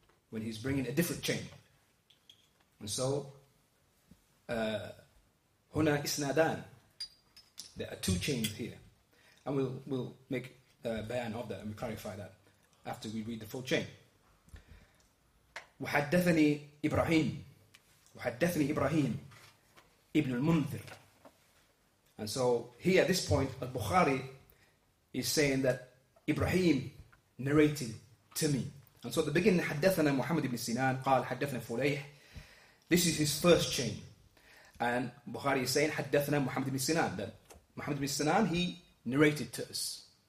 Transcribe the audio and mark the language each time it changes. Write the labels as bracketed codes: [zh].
[en] When he's bringing a different chain. And so, [ar] هنا إسنادان. [en] There are two chains here. And we'll make a bayan of that and we'll clarify that after we read the full chain. [ar] وحدثني إبراهيم. وحدثني إبراهيم ابن المنذر. [en] And so, here at this point, Al-Bukhari is saying that Ibrahim narrated to me. And so, at the beginning, [ar] حدثنا محمد بن سنان قال حدثنا فليح. [en] This is his first chain. And Bukhari is saying, [ar] حدثنا محمد بن سنان. [en] Then محمد بن سنان, he narrated to us.